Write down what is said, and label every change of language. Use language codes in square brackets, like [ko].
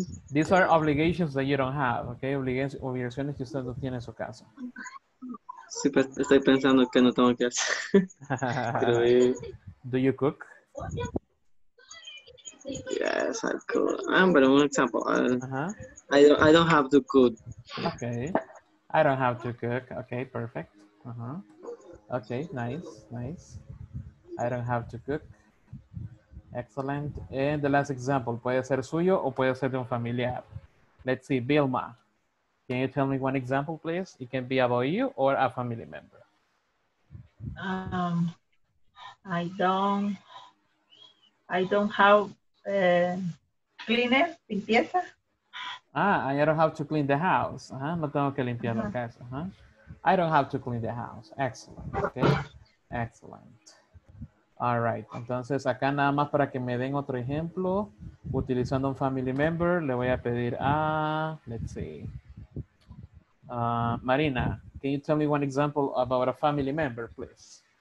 [en] These are obligations that you don't have, okay? [es] Obligaciones que usted no tiene en su caso. Sí, estoy pensando que no tengo que hacer. [en] Do you cook? Yes, I cook. But one example. I don't have to cook. Okay. I don't have to cook. Okay, perfect. Uh-huh. Okay, nice. I don't have to cook. Excellent. And the last example, [es] puede ser suyo o puede ser de un familiar. [en] Let's see, Vilma. Can you tell me one example, please? It can be about you or a family member. I don't have cleaner, [es] limpieza. [en] I don't have to clean the house. Uh-huh. [es] No tengo que limpiar la casa. [en] Uh-huh. I don't have to clean the house. Excellent. Okay. Excellent. All right. [es] Entonces, acá nada más para que me den otro ejemplo, utilizando un family member, le voy a pedir a, [en] let's see. Marina, can you tell me one example about a family member, please?